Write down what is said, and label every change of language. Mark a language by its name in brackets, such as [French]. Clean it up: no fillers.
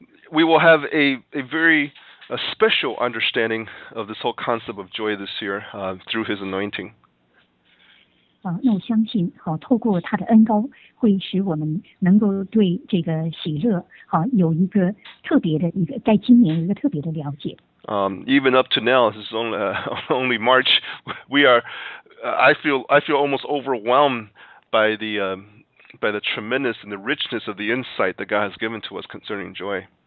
[English] We will have a very special understanding of this whole concept of joy this year through his anointing. [Chinese] 那我相信透过他的恩膏会使我们能够对这个喜乐有一个特别的一个在今年有一个特别的了解。 [English] Even up to now, this is only March. We are I feel almost overwhelmed by the tremendous and the richness of the insight that God has given to us concerning joy.